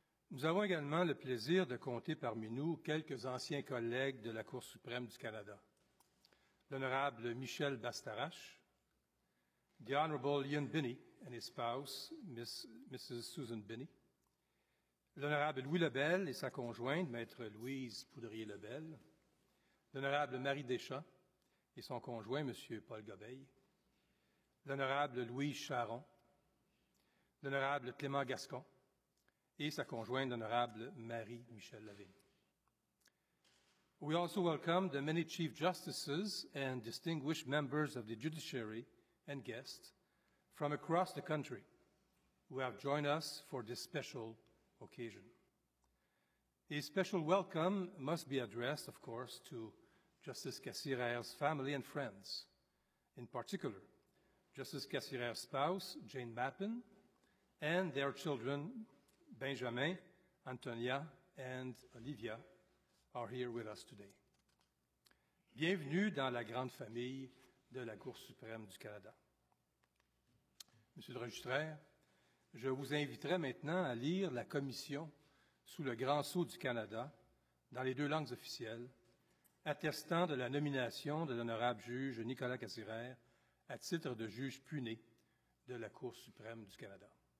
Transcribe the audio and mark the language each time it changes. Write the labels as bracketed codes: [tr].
[fr] Nous avons également le plaisir de compter parmi nous quelques anciens collègues de la Cour suprême du Canada. [en] L'honorable Michel Bastarache, the Honorable Ian Binney and his spouse, Mrs. [fr] Susan Binney, l'honorable Louis Lebel et sa conjointe, Maître Louise Poudrier-Lebel, l'honorable Marie Deschamps et son conjoint, Monsieur Paul Gobeil, l'honorable Louise Charon, l'honorable Clément Gascon et sa conjointe, l'honorable Marie-Michel Lavigne. [en] We also welcome the many Chief Justices and distinguished members of the judiciary and guests from across the country who have joined us for this special occasion. A special welcome must be addressed, of course, to Justice Cazirère's family and friends, in particular, Justice Cazirère's spouse, Jane Mappin, and their children, Benjamin, Antonia, and Olivia, are here with us today. [fr] Bienvenue dans la grande famille de la Cour suprême du Canada. Monsieur le registraire, je vous inviterai maintenant à lire la commission sous le grand sceau du Canada dans les deux langues officielles, attestant de la nomination de l'honorable juge Nicolas Cazirère à titre de juge puné de la Cour suprême du Canada.